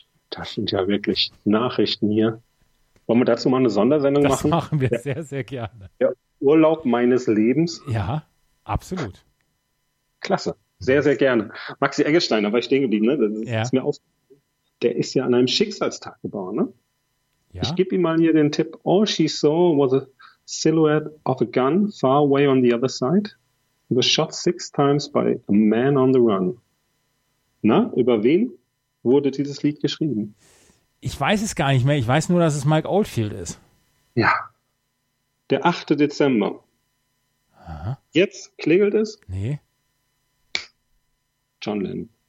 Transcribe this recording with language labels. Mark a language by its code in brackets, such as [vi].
[de] Das sind ja wirklich Nachrichten hier. Wollen wir dazu mal eine Sondersendung machen? Das machen wir ja. Sehr, sehr gerne. Ja. Urlaub meines Lebens? Ja, absolut. Klasse. Sehr, sehr gerne. Maxi Eggestein, da war ich stehen geblieben, ne? Das ja. Ist mir auf. Der ist ja an einem Schicksalstag geboren, ne? Ja. Ich gebe ihm mal hier den Tipp. [en] All she saw was a silhouette of a gun far away on the other side. He was shot 6 times by a man on the run. [de] Na, über wen wurde dieses Lied geschrieben? Ich weiß es gar nicht mehr. Ich weiß nur, dass es Mike Oldfield ist. Ja. Der 8. Dezember. Aha. Jetzt klingelt es? Nee. John Lennon.